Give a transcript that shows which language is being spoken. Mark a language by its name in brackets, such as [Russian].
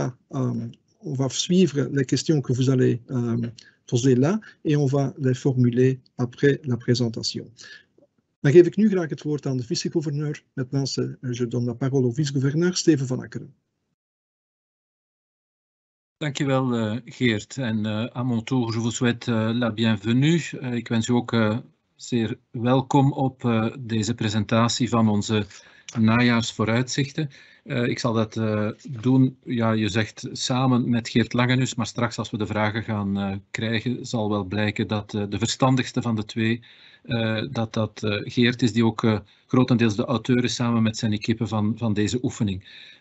[French] On va suivre les questions que vous allez poser là et on va les formuler après la présentation. [Dutch] Dan geef ik nu graag het woord aan de vice-gouverneur. [French] Maintenant, je donne la parole au vice-gouverneur Steven van Akkeren. [Dutch] Dankjewel Geert en [French] à mon tour, je vous souhaite la bienvenue. [Dutch] Ik wens u ook zeer welkom op deze presentatie van onze najaarsvooruitzichten. Ik zal dat doen, ja, je zegt samen met Geert Langenus, maar straks als we de vragen gaan krijgen, zal wel blijken dat de verstandigste van de twee, dat Geert is, die ook grotendeels de auteur is samen met zijn equipe van deze oefening.